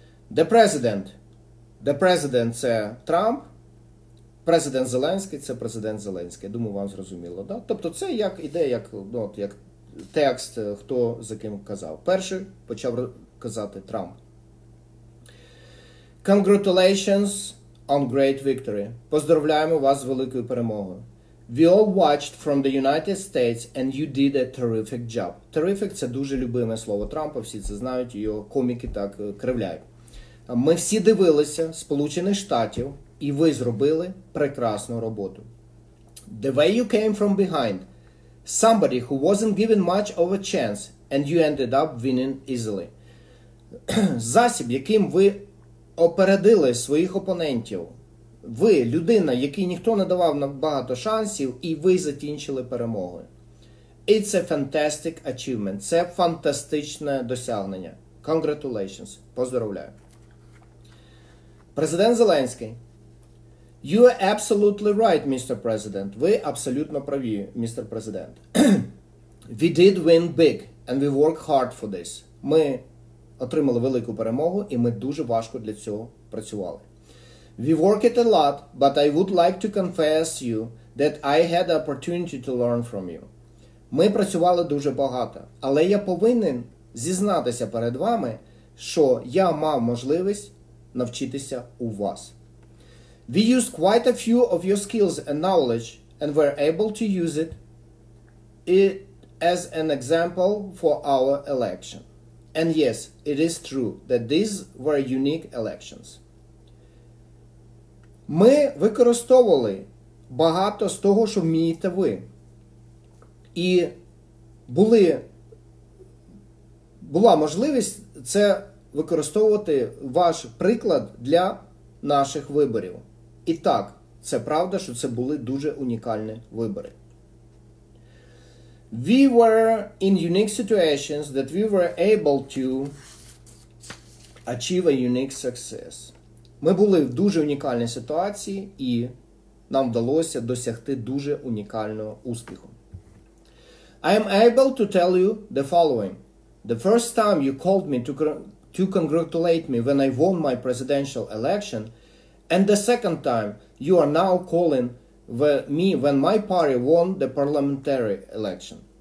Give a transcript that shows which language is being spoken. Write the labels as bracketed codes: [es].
[en] The president [uk] це Трамп, президент Зеленський це президент Зеленський. Думаю, вам зрозуміло. Да? Тобто це як іде, як, ну, як текст, хто за ким казав. Перший почав казати Трамп. [en] Congratulations on great victory. [uk] Поздравляємо вас з великою перемогою. [en] We all watched from the United States and you did a terrific job. [uk] Terrific – це дуже любиме слово Трампа, всі це знають, його коміки так кривляють. Ми всі дивилися Сполучених Штатів і ви зробили прекрасну роботу. [en] The way you came from behind, somebody who wasn't given much of a chance and you ended up winning easily. [uk] Засіб, яким ви опередили своїх опонентів. Ви – людина, якій ніхто не давав багато шансів, і ви закінчили перемогою. [en] It's a fantastic achievement. [uk] Це фантастичне досягнення. [en] Congratulations. [uk] Поздоровляю. Президент Зеленський. [en] You are absolutely right, Mr. President. [uk] Ви абсолютно праві, [en] Mr. President. We did win big, and we work hard for this. [uk] Ми отримали велику перемогу, і ми дуже важко для цього працювали. [en] We work it a lot, but I would like to confess you that I had the opportunity to learn from you. [uk] Ми працювали дуже багато, але я повинен зізнатися перед вами, що я мав можливість навчитися у вас. [en] We used quite a few of your skills and knowledge and were able to use it as an example for our election. And yes, it is true that these were unique elections. [uk] Ми використовували багато з того, що вмієте ви. І була можливість це використовувати ваш приклад для наших виборів. І так, це правда, що це були дуже унікальні вибори. [en] We were in unique situations that we were able to achieve a unique success. [uk] Ми були в дуже унікальній ситуації і нам вдалося досягти дуже унікального успіху. [en] I am able to tell you the following. The first time you called me to congratulate me when I won my presidential election, and the second time you are now calling me when my party won the parliamentary election.